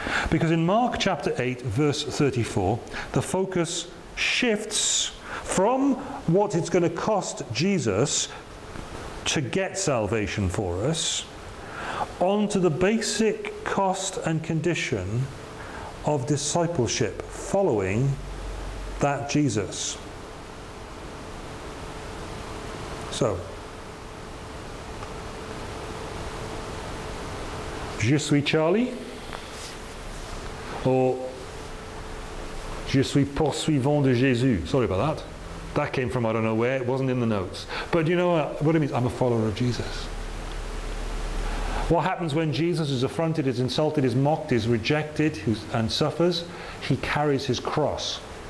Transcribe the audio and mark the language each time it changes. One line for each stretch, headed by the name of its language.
English: Because in Mark chapter 8, verse 34, the focus shifts from what it's going to cost Jesus to get salvation for us onto the basic cost and condition of discipleship following that Jesus.
French: So, je suis Charlie, or je suis poursuivant de Jésus.
English: Sorry about that. That came from I don't know where. It wasn't in the notes. But you know what it means? I'm a follower of Jesus. What happens when Jesus is affronted, is insulted, is mocked, is rejected, and suffers? He carries his cross.